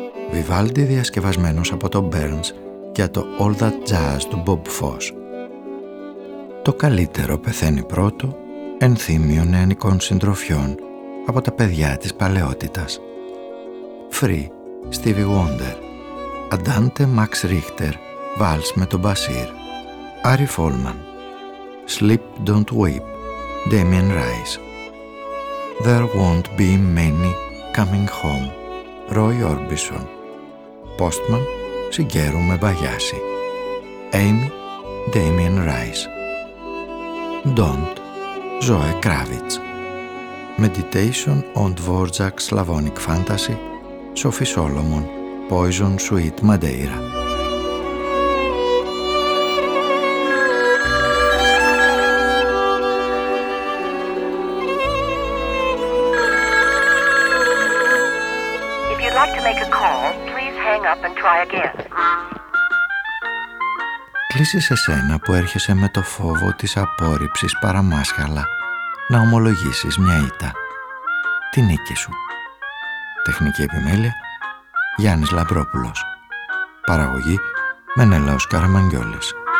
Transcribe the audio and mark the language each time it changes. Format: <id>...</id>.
<el>Βιβάλντι διασκευασμένος από τον Burns για το All That Jazz του Bob Foss. Το καλύτερο πεθαίνει πρώτο, ενθύμιο νεανικών συντροφιών από τα παιδιά της παλαιότητας. Free</el> <en>Stevie Wonder.</en> <el>Αντάντε Max Richter, Vals με τον Basir.</el> <en>Ari Folman. Sleep Don't Weep, Damien Rice. There Won't Be Many Coming Home, Roy Orbison. Postman, Σιγκέρου Μεμπαγιάση. Amy, Damien Rice. Don't, Zoe Kravitz. Meditation on Dvorak's Slavonic Fantasy, Sophie Solomon, Poison Sweet Madeira. If you'd like to make a call, please hang up and try again.</en> <el>Κλείσεις εσένα που έρχεσαι με το φόβο της απόρριψης παραμάσχαλα να ομολογήσεις μια ήττα, τη νίκη σου. Τεχνική επιμέλεια, Γιάννης Λαμπρόπουλος. Παραγωγή, Μενέλαος Καραμαγκιόλης.</el>